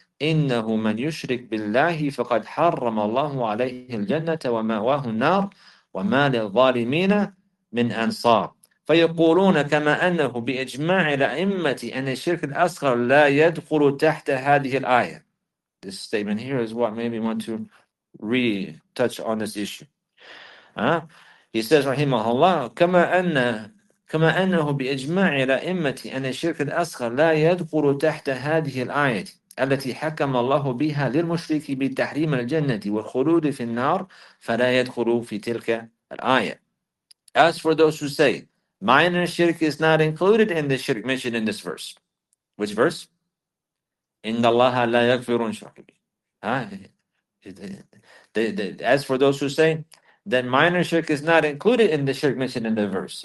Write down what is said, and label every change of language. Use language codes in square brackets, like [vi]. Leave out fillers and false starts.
[ar] إنه من يشرك بالله فقد حرم الله عليه الجنة ومأواه النار وما للظالمين من أنصار. فيقولون كما أنه بإجماع الأئمة أن الشرك الأصغر لا يدخل تحت هذه الآية. [en] This statement here is what maybe want to re-touch on this issue. He says, [ar] رحمه الله, كما أنه بإجماع الأئمة أن الشرك الأصغر لا يدخل تحت هذه الآية التي حكم الله بها للمشرك بتحريم الجنة والخلود في النار فلا يدخل في تلك الآية. [en] As for those who say, minor shirk is not included in the shirk mentioned in this verse. Which verse? [ar] إِنَّ اللَّهَ لَا يَغْفِرُ أَن يُشْرَكَ بِهِ. [en] As for those who say, then minor shirk is not included in the shirk mentioned in the verse.